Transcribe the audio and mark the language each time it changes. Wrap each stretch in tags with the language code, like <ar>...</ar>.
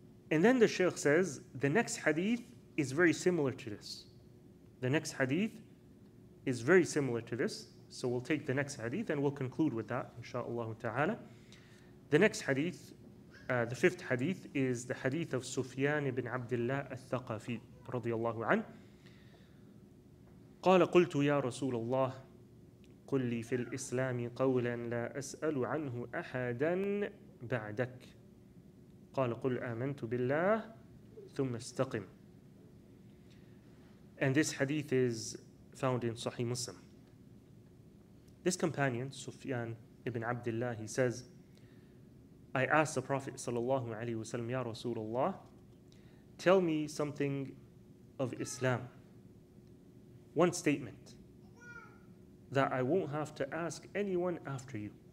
<en>And then the Shaykh says, the next hadith is very similar to this. The next hadith is very similar to this. So we'll take the next hadith and we'll conclude with that, inshaAllah ta'ala. The next hadith, the fifth hadith, is the hadith of Sufyan ibn Abdullah al-Thaqafi</en> <ar>رضي الله عنه قال قلت يا رسول الله قل لي في الإسلام قولا لا أسأل عنه أحدا بعدك قال قل آمنت بالله ثم استقم.</ar> <en>And this hadith is found in Sahih Muslim. This companion Sufyan ibn Abdullah, he says, I asked the Prophet</en> <ar>صلى الله عليه وسلم يا رسول الله,</ar> <en>tell me something of Islam, one statement that I won't have to ask anyone after you.</en>